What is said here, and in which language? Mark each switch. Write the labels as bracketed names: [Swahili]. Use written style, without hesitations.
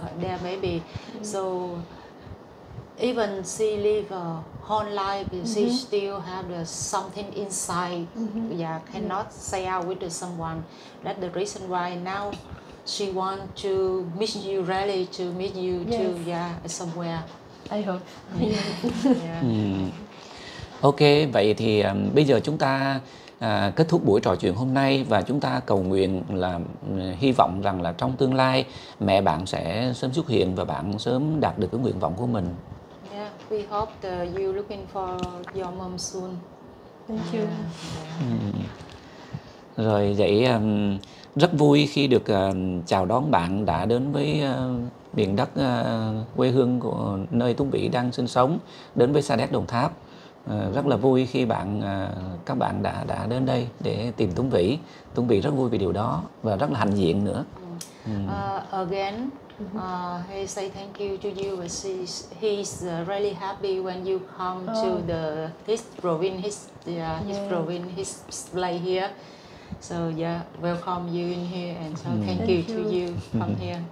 [English] Their baby. So even she live a whole life, she still have the something inside. Cannot say out with someone. That's the reason why now she want to miss you, really to meet you too. Yeah, somewhere. I hope. [Vietnamese] OK, vậy thì bây giờ chúng ta kết thúc buổi trò chuyện hôm nay, và chúng ta cầu nguyện là hy vọng rằng là trong tương lai mẹ bạn sẽ sớm xuất hiện và bạn sớm đạt được cái nguyện vọng của mình. [English] Yeah, we hope that you looking for your mom soon. Thank you. [Vietnamese] Rồi vậy rất vui khi được chào đón bạn đã đến với miền đất quê hương của nơi Tuấn Vĩ đang sinh sống, đến với Sa Đéc Đồng Tháp. Rất là vui khi bạn các bạn đã đến đây để tìm Tuấn Vĩ. Tuấn Vĩ rất vui vì điều đó và rất là hạnh diện nữa. [English] Again, he say thank you to you. He's really happy when you come to the his province, his province, his place here. So yeah, welcome you in here and so thank you to you from here.